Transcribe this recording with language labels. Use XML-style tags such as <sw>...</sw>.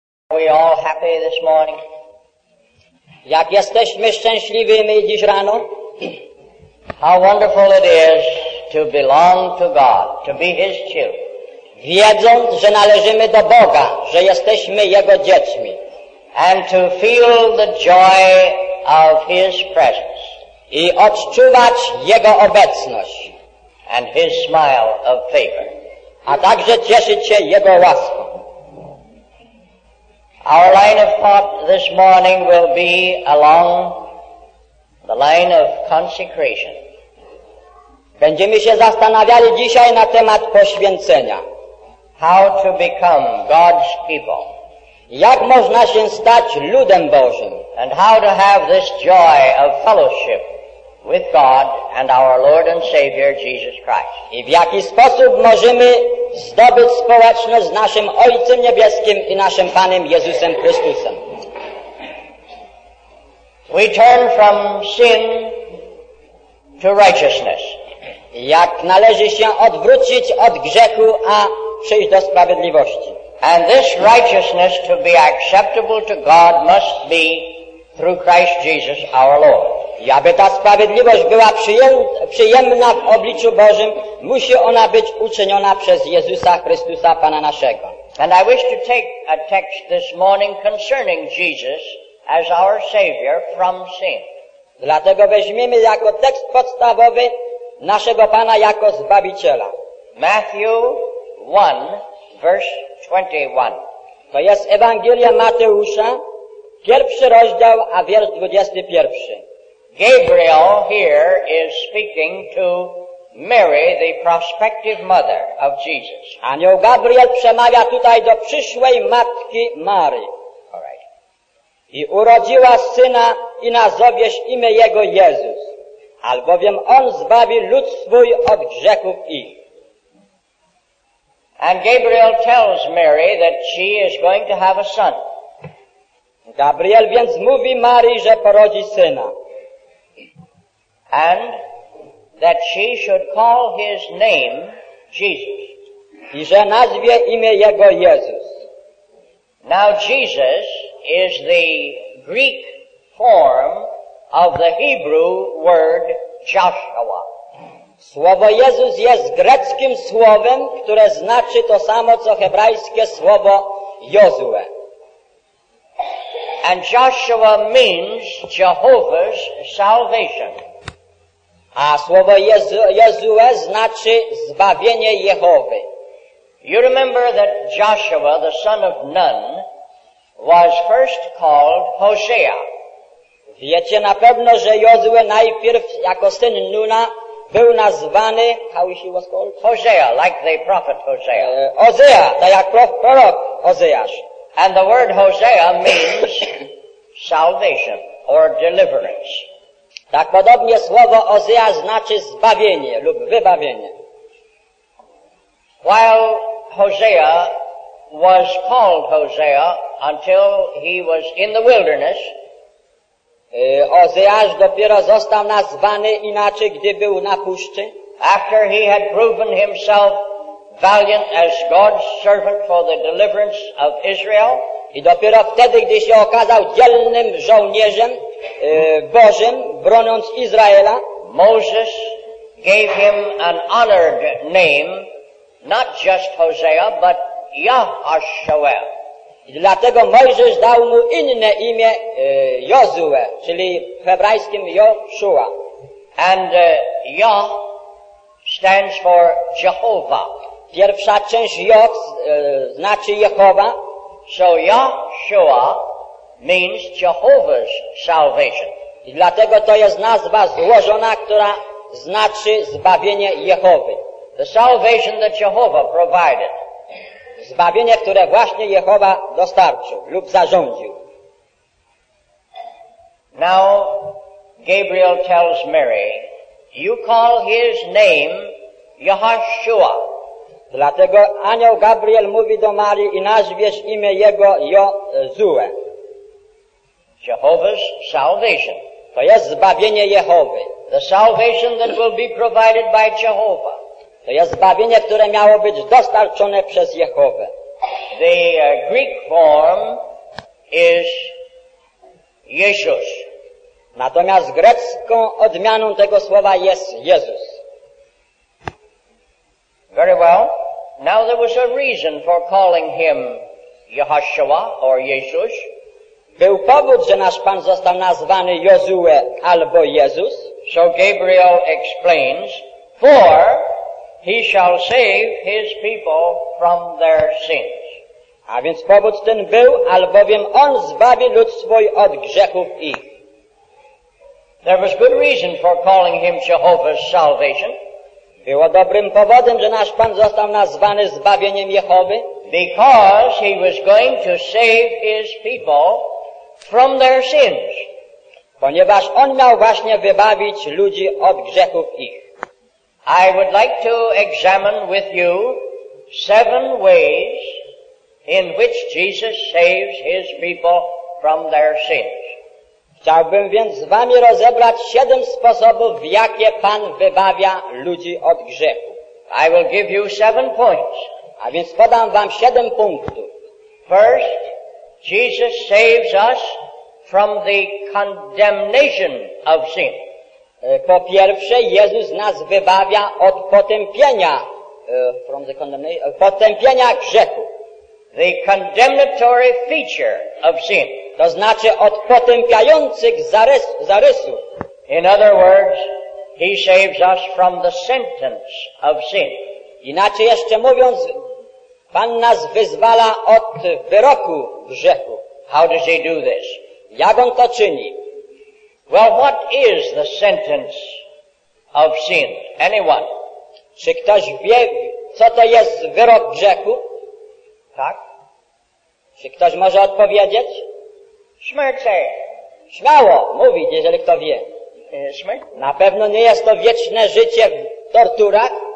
<en>we all happy this morning?</en> <pl>Jak jesteśmy szczęśliwymi dziś rano?</pl> <en>How wonderful it is to belong to God, to be His children.</en> <pl>Wiedząc, że należymy do Boga, że jesteśmy Jego dziećmi.</pl> <en>And to feel the joy of His presence.</en> <pl>I odczuwać Jego obecność.</pl> <en>And His smile of favor.</en> <pl>A także cieszyć się Jego łaską.</pl> <en>Our line of thought this morning will be along the line of consecration.</en> <pl>Będziemy się zastanawiali dzisiaj na temat poświęcenia.</pl> <en>How to become God's people.</en> <pl>Jak można się stać ludem Bożym.</pl> <en>And how to have this joy of fellowship with God and our Lord and Savior Jesus Christ.</en> <pl>I w jaki sposób możemy zdobyć społeczność z naszym Ojcem Niebieskim i naszym Panem Jezusem Chrystusem.</pl> <en>We turn from sin to righteousness.</en> <pl>Jak należy się odwrócić od grzechu, a przyjść do sprawiedliwości.</pl> <en>And this righteousness to be acceptable to God must be through Christ Jesus our Lord.</en> <pl>I aby ta sprawiedliwość była przyjemna w obliczu Bożym, musi ona być uczyniona przez Jezusa Chrystusa, Pana naszego.</pl> <en>And I wish to take a text this morning concerning Jesus as our Savior from sin.</en> <pl>Dlatego weźmiemy jako tekst podstawowy naszego Pana jako Zbawiciela.</pl> <en>Matthew 1, verse 21.</en> <pl>To jest Ewangelia Mateusza, pierwszy rozdział, a wiersz 21.</pl> <en>Gabriel here is speaking to Mary, the prospective mother of Jesus.</en> <pl>Anioł Gabriel przemawia tutaj do przyszłej matki Marii.</pl> <en>All right.</en> <pl>I urodziła syna i nazowiesz imię jego Jezus, albowiem on zbawi lud swój od grzechów ich.</pl> <en>And Gabriel tells Mary that she is going to have a son.</en> <pl>Gabriel więc mówi Marii, że porodzi syna.</pl> <en>And that she should call his name Jesus.</en> <pl>I że nazwie imię jego Jezus.</pl> <en>Now Jesus is the Greek form of the Hebrew word Joshua.</en> <pl>Słowo Jezus jest greckim słowem, które znaczy to samo co hebrajskie słowo Jozue.</pl> <en>And Joshua means Jehovah's salvation.</en> <pl>A słowo Jezue znaczy zbawienie Jehowy.</pl> <en>You remember that Joshua, the son of Nun, was first called Hosea.</en> <pl>Wiecie na pewno, że Jozue najpierw jako syn Nuna był nazwany,</pl> <en>how he was called? Hosea, like the prophet Hosea.</en> <pl>Hosea, tak jak prorok Hoseasz.</pl> <en>And the word Hosea means salvation or deliverance.</en> <pl>Tak podobnie słowo Ozea znaczy zbawienie lub wybawienie.</pl> <en>While Hosea was called Hosea until he was in the wilderness,</en> <pl>Ozeasz dopiero został nazwany inaczej, gdy był na puszczy.</pl> <en>After he had proven himself valiant as God's servant for the deliverance of Israel.</en> <pl>I dopiero wtedy, gdy się okazał dzielnym żołnierzem Bożym, broniąc Izraela,</pl> <en>Moses gave him an honored name, not just Hosea, but Yahashua.</en> <pl>Dlatego Mojżesz dał mu inne imię, Jozue, czyli w hebrajskim Joshua.</pl> <en>And Yah stands for Jehovah.</en> <pl>Pierwsza część Yah znaczy Jehowa.</pl> <en>So Yahshua means Jehovah's salvation.</en> <pl>I dlatego to jest nazwa złożona, która znaczy zbawienie Jehowy.</pl> <en>The salvation that Jehovah provided.</en> <pl>Zbawienie, które właśnie Jehowa dostarczył lub zarządził.</pl> <en>Now Gabriel tells Mary, you call his name Yahshua.</en> <pl>Dlatego anioł Gabriel mówi do Marii i nazwiesz imię jego Jozue.</pl> <en>Jehovah's salvation.</en> <pl>To jest zbawienie Jehowy.</pl> <en>The salvation that will be provided by Jehovah.</en> <pl>To jest zbawienie, które miało być dostarczone przez Jehowę.</pl> <en>The Greek form</en> <pl>iż Jezus. Natomiast grecką odmianą tego słowa jest Jezus.</pl> <en>Very well. Now there was a reason for calling him Jehoshua or Jezus.</en> <pl>Był powód, że nasz Pan został nazwany Jozue albo Jezus.</pl> <en>So Gabriel explains, for he shall save his people from their sins.</en> <pl>A więc powód ten był, albowiem on zbawi lud swój od grzechów ich.</pl> <en>There was good reason for calling him Jehovah's salvation.</en> <pl>Było dobrym powodem, że nasz Pan został nazwany zbawieniem Jehowy.</pl> <en>Because he was going to save his people from their sins.</en> <pl>Ponieważ on miał właśnie wybawić ludzi od grzechów ich.</pl> <en>I would like to examine with you seven ways in which Jesus saves his people from their sins.</en> <pl>Chciałbym więc z wami rozebrać siedem sposobów, w jakie Pan wybawia ludzi od grzechu.</pl> <en>I will give you seven points.</en> <pl>A więc podam wam siedem punktów.</pl> <en>First, Jesus saves us from the condemnation of sin.</en> <pl>Po pierwsze, Jezus nas wybawia od potępienia,</pl> <en>from the condemnation,</en> <pl>potępienia grzechu.</pl> <en>The condemnatory feature of sin.</en> <pl>To znaczy od potępiających zarysów.</pl> <en>In other words, he saves us from the sentence of sin.</en> <pl>Inaczej jeszcze mówiąc, Pan nas wyzwala od wyroku grzechu.</pl> <en>How does he do this?</en> <pl>Jak on to czyni?</pl> <en>Well, what is the sentence of sin? Anyone?</en> <pl>Czy ktoś wie, co to jest wyrok grzechu? Tak. Czy ktoś może odpowiedzieć? Śmierć. Śmiało mówić, jeżeli kto wie. Śmierć. Na pewno nie jest to wieczne życie w torturach.</pl>